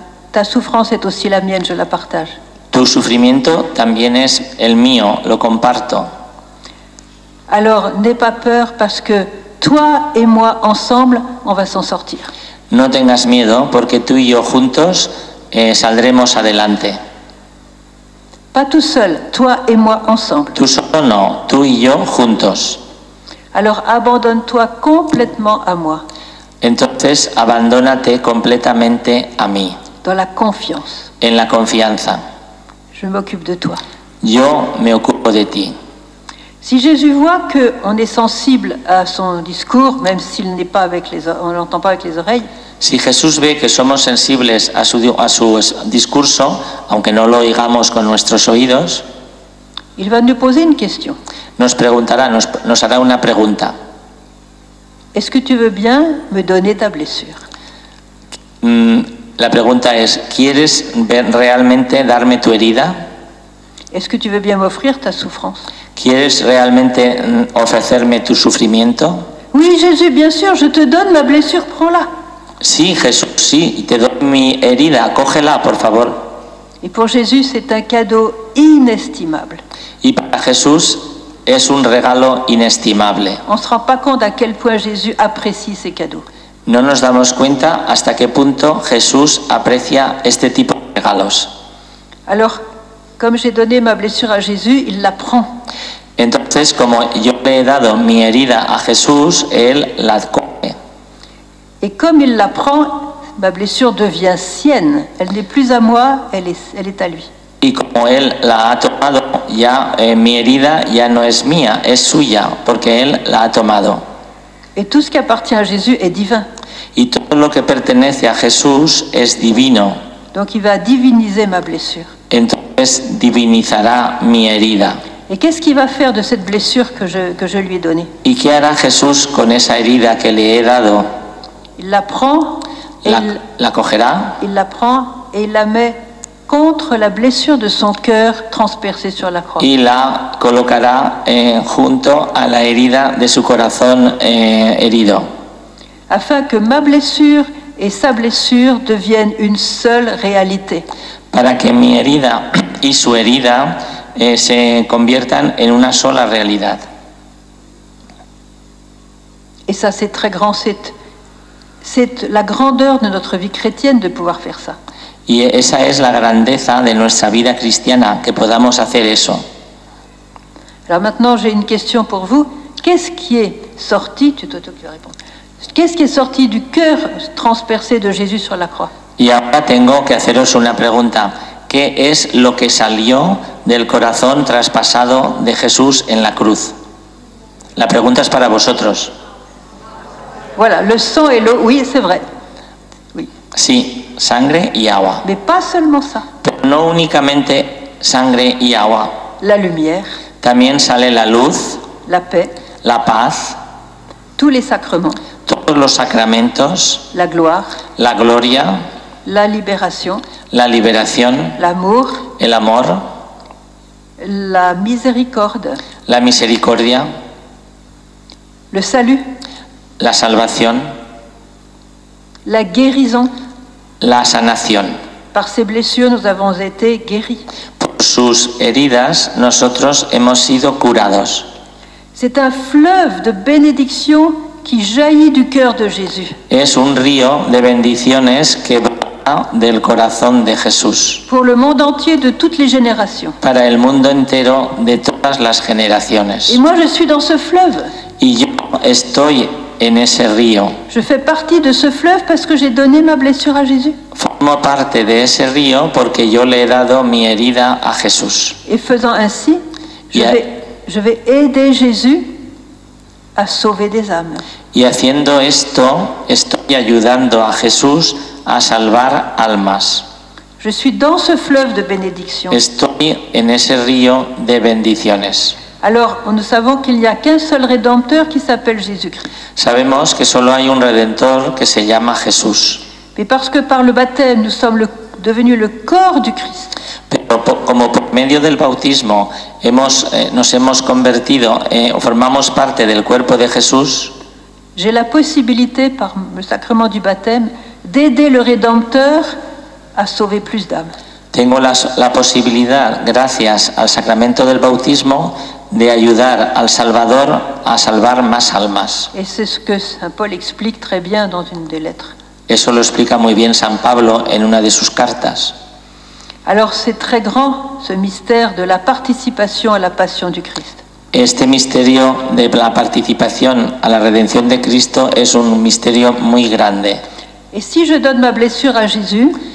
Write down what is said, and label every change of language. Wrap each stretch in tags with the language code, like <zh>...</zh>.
<fr>Ta souffrance est aussi la mienne, je la partage.</fr> <es>Tu sufrimiento también es el mío, lo comparto.</es> <fr>Alors, n'aie pas peur parce que toi et moi ensemble, on va s'en sortir.</fr> <es>No tengas miedo porque tú y yo juntos saldremos adelante.</es> <fr>Pas tout seul, toi et moi ensemble.</fr> <es>Tú solo no, tú y yo juntos.</es> <fr>Alors, abandonne-toi complètement à moi.</fr> <es>Entonces, abandónate completamente a mí.</es> <fr>Dans la confiance.</fr> <es>En la confianza.</es> <fr>Je m'occupe de toi.</fr> <es>Yo me ocupo de ti.</es> <fr>Si Jésus voit que on est sensible à son discours, même s'il n'est pas avec les, on l'entend pas avec les oreilles.</fr> <es>Si Jesús ve que somos sensibles a su discurso, aunque no lo oigamos con nuestros oídos,</es> <fr>il va nous poser une question.</fr> <es>Nos preguntará, nos hará una pregunta.</es> <fr>Est-ce que tu veux bien me donner ta blessure?</fr> <es>La pregunta es, ¿quieres realmente darme tu herida?</es> <fr>Est-ce que tu veux bien m'offrir ta souffrance?</fr> <es>¿Quieres realmente ofrecerme tu sufrimiento?</es> <fr>Oui, Jésus, bien sûr, je te donne ma blessure, prends-la.</fr> <es>Sí, Jesús, sí, te doy mi herida, cógela, por favor.</es> <fr>Et pour Jésus, c'est un cadeau inestimable.</fr> <es>Y para Jesús es un regalo inestimable.</es> <fr>On ne se rend pas compte à quel point Jésus apprécie ces cadeaux.</fr> <es>No nos damos cuenta hasta qué punto Jesús aprecia este tipo de regalos.</es> <fr>Alors, comme j'ai donné ma blessure à Jésus, il la prend.</fr> <es>Entonces, como yo le he dado mi herida a Jesús, él la coge.</es> <fr>Et comme il la prend, ma blessure devient sienne. Elle n'est plus à moi, elle est à lui.</fr> <es>Y como él la ha tomado, ya mi herida ya no es mía, es suya, porque él la ha tomado.</es> <fr>Et tout ce qui appartient à Jésus est divin.</fr> <es>Y todo lo que pertenece a Jesús es divino.</es> <fr>Donc il va diviniser ma blessure.</fr> <es>Entonces divinizará mi herida.</es> <fr>Et qu'est-ce qu'il va faire de cette blessure que je lui ai donnée?</fr> <es>¿Y qué hará Jesús con esa herida que le he dado?</es> <fr>Il la prend,</fr> <es>la cogerá.</es> <fr>Il la prend et il la met contre la blessure de son cœur transpercée sur la croix.</fr> <es>Y la colocará junto a la herida de su corazón herido.</es> <fr>Afin que ma blessure et sa blessure deviennent une seule réalité.</fr> <es>Para que mi herida y su herida se conviertan en una sola realidad.</es> <fr>Et ça c'est très grand, c'est la grandeur de notre vie chrétienne de pouvoir faire ça.</fr> <es>Y esa es la grandeza de nuestra vida cristiana, que podamos hacer eso.</es> <fr>Alors maintenant j'ai une question pour vous. Qu'est-ce qui est sorti, tu dois te répondre. Qu'est-ce qui est sorti du cœur transpercé de Jésus sur la croix?</fr> <es>Y ahora tengo que haceros una pregunta. ¿Qué es lo que salió del corazón traspasado de Jesús en la cruz? La pregunta es para vosotros.</es> <fr>Voilà, le sang et l'eau. Oui, c'est vrai. Oui.</fr> <es>Sí. Sangre y agua.</es> <fr>Mais pas seulement ça.</fr> <es>Pero no únicamente sangre y agua.</es> <fr>La lumière.</fr> <es>También sale la luz.</es> <fr>La paix.</fr> <es>La paz.</es> <fr>Tous les sacrements.</fr> <es>Todos los sacramentos.</es> <fr>La gloire.</fr> <es>La gloria.</es> <fr>La libération.</fr> <es>La liberación.</es> <fr>L'amour.</fr> <es>El amor.</es> <fr>La miséricorde.</fr> <es>La misericordia.</es> <fr>Le salut.</fr> <es>La salvación.</es> <fr>La guérison.</fr> <es>La sanación.</es> <fr>Par ses blessures, nous avons été guéris.</fr> <es>Por sus heridas, nosotros hemos sido curados.</es> <fr>C'est un fleuve de bénédictions qui jaillit du cœur de Jésus.</fr> <es>Es un río de bendiciones que brota del corazón de Jesús.</es> <fr>Pour le monde entier, de toutes les générations.</fr> <es>Para el mundo entero, de todas las generaciones.</es> <fr>Et moi, je suis dans ce fleuve.</fr> <es>Y yo estoy en ese río.</es> <fr>Je fais partie de ce fleuve parce que j'ai donné ma blessure à Jésus.</fr> <es>Formo parte de ese río porque yo le he dado mi herida a Jesús.</es> <fr>Et faisant ainsi, je vais aider Jésus à sauver des âmes.</fr> <es>Y haciendo esto, estoy ayudando a Jesús a salvar almas.</es> <fr>Je suis dans ce fleuve de bénédictions.</fr> <es>Estoy en ese río de bendiciones.</es> <fr>Alors, nous savons qu'il n'y a qu'un seul rédempteur qui s'appelle Jésus-Christ.</fr> <es>Sabemos que solo hay un redentor que se llama Jesús.</es> <fr>Mais parce que par le baptême, nous sommes devenus le corps du Christ.</fr> <es>Pero como por medio del bautismo nos hemos convertido, formamos parte del cuerpo de Jesús.</es> <fr>J'ai la possibilité par le sacrement du baptême d'aider le rédempteur à sauver plus d'âmes.</fr> <es>Tengo la posibilidad, gracias al sacramento del bautismo, de ayudar al Salvador a salvar más almas.</es> <fr>Et c'est ce que Saint Paul explique très bien dans une des lettres.</fr> <es>Eso lo explica muy bien San Pablo en una de sus cartas.</es> <fr>Alors c'est très grand ce mystère de la participation à la passion du Christ.</fr> <es>Este misterio de la participación a la redención de Cristo es un misterio muy grande.</es> <fr>Et si je donne ma blessure à Jésus,</fr>